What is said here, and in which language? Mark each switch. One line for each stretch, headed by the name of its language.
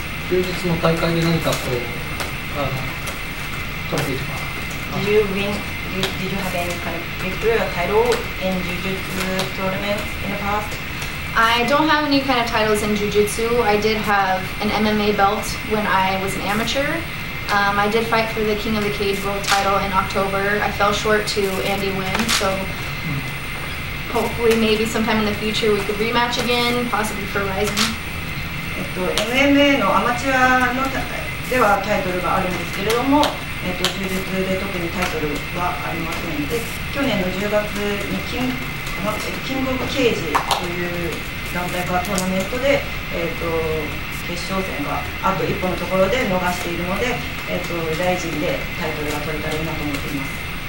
Japanese: 休日の大会で何かこう、トロフィーとか。
English: Did you win? Did you have any kind of victory or title in Jiu-Jitsu tournaments in the past? I don't have any kind of titles in Jiu-Jitsu. I did have an MMA belt when I was an amateur. I did fight for the King of the Cage world title in October. I fell short to Andy Nguyen, so hopefully maybe sometime in the future we could rematch again, possibly for Rizin.
Japanese: MMA のアマチュアのではタイトルがあるんですけれども、柔術で特にタイトルはありませんで、去年の10月にキングオブケージという団体からトーナメントで、決勝戦があと一歩のところで逃しているので、大臣でタイトルが取れたらいいなと思っています。